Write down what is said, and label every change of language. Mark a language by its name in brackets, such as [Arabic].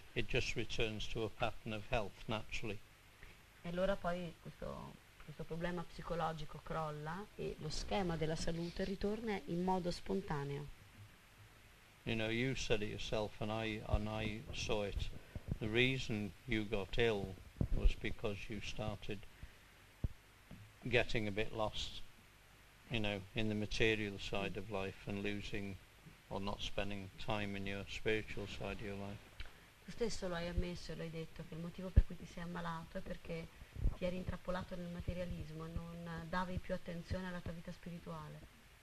[English] It just returns to a pattern of health, naturally. [Italian] E allora poi questo problema psicologico crolla e lo schema della salute ritorna in modo spontaneo. [English] You know, you said it yourself and I saw it. The reason you got ill was because you started getting a bit lost, you know, in the material side of life and losing or not spending time in your spiritual side of your life. [Italian] Tu stesso lo hai ammesso e lo hai detto che il motivo per cui ti sei ammalato è perché ti eri intrappolato nel materialismo e non davi più attenzione alla tua vita spirituale.